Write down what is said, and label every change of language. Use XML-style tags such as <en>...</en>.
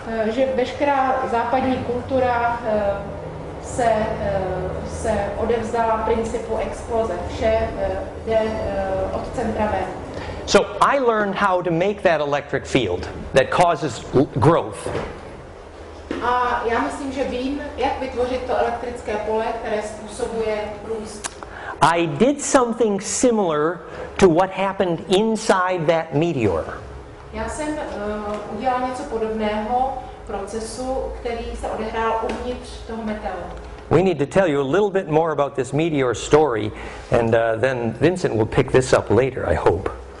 <cs>Že veškerá západní kultura se odevzdala principu exploze. Vše jde od centra ven.</cs> <en>So I learned how to make that electric field that causes growth.</en> <cs>A já myslím, že vím, jak vytvořit to elektrické pole, které způsobuje růst.</cs> <en>I did something similar to what happened inside that meteor.</en> <cs>Já jsem udělal něco podobného procesu, který se odehrál uvnitř toho meteoru.</cs> <en>We need to tell you a little bit more about this meteor story, and then Vincent will pick this up later, I hope.</en>